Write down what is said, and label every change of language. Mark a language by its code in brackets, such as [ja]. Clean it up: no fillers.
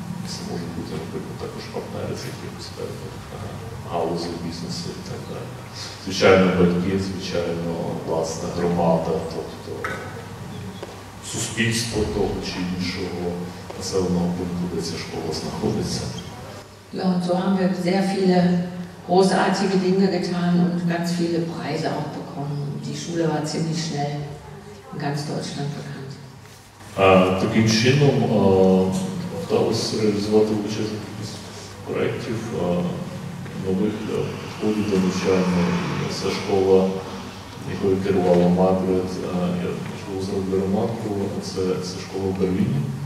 [uk] Це можуть бути, наприклад, також партнери з якихось певних галузей бізнесу і так далі. Звичайно, батьки, звичайно, власна громада, тобто суспільство того чи іншого населеного пункту, де ця школа знаходиться. [de] Ja, und so haben wir sehr viele großartige Dinge getan und ganz viele Preise auch bekommen. Die Schule war ziemlich schnell in ganz Deutschland bekannt. [uk] Таким чином вдалося реалізувати участь проєктів нових входів до навчання. Ця школа, якою керувала Маргарет, я можливо зробити ремарку, це школа в Берліні.